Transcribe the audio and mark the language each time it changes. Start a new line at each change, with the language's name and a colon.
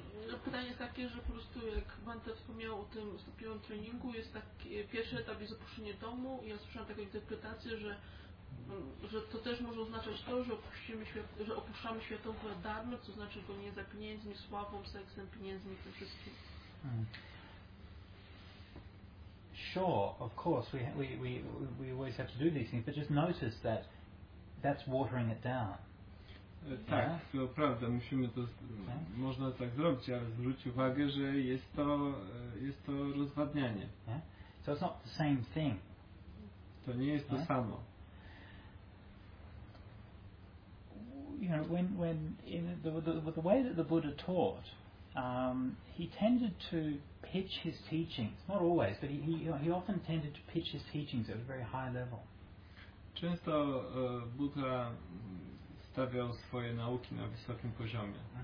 Polish: No, pytanie jest takie, że po prostu jak Bante wspomniał o tym stopniowym treningu, jest taki pierwszy etap jest opuszczenie domu i ja słyszałam taką interpretację, że to też może oznaczać to, że opuszczamy światowe darmo, co znaczy go nie za pieniędzmi, sławą, seksem, pieniędzmi i tym wszystkim.
English: Sure, of course, we always have to do these things, but just notice that that's watering it down.
Polish: Tak, to prawda, musimy to, okay. Można tak zrobić, ale zwróć uwagę, że jest to rozwadnianie.
English: Yeah? So it's not the same thing.
Polish: To nie jest to samo.
English: You know, when in the way that the Buddha taught, he tended to pitch his teachings, not always, but he often tended to pitch his teachings at a very high level.
Polish: Często Buddha stawiał swoje nauki na wysokim poziomie.